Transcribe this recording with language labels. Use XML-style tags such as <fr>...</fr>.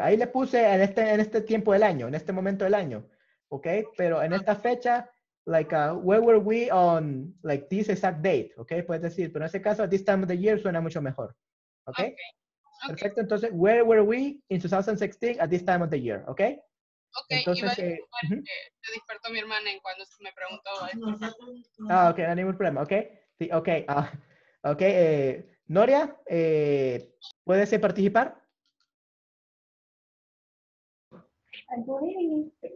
<es>Ahí le puse en este tiempo del año, en este momento del año. Okay? Pero en esta fecha,</es> <en>where were we on this exact date?</en> <es>Okay? Puedes decir, pero en ese caso,</es> <en>at this time of the year</en> <es>suena mucho mejor. Okay? Okay. Perfecto. Entonces,</es> <en>where were we in 2016 at this time of the year? Okay?</en> <es>Ok, entonces, iba a disculpar que se despertó mi hermana en cuando me preguntó esto. Ah, ok, no hay ningún problema, ok. Sí, ok, ok. Noria, ¿puedes participar?</es> <en>Good evening.</en>